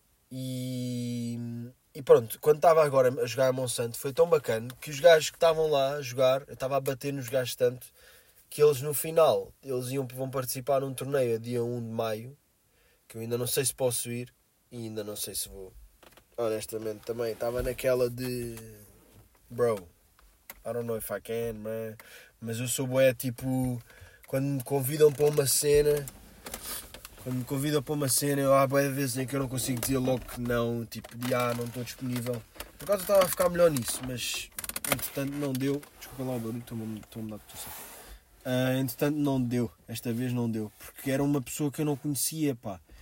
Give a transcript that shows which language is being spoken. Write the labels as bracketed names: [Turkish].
[Portuguese] E pronto, quando estava agora a jogar a Monsanto, foi tão bacana que os gajos que estavam lá a jogar, eu estava a bater nos gajos tanto, que eles no final, eles iam, vão participar num torneio a dia 1 de maio, que eu ainda não sei se posso ir, e ainda não sei se vou. Honestamente, também estava naquela de... [English] Bro, I don't know if I can, man. [Portuguese] Mas eu sou bué, tipo, quando me convidam para uma cena... Quando me convidam para uma cena, há boas vezes em que eu não consigo dizer logo que não, tipo, de ah, não estou disponível. Por acaso eu estava a ficar melhor nisso, mas entretanto não deu. Desculpa lá o barulho, estou-me a dar tudo. Entretanto não deu, esta vez não deu, porque era uma pessoa que eu não conhecia, pá.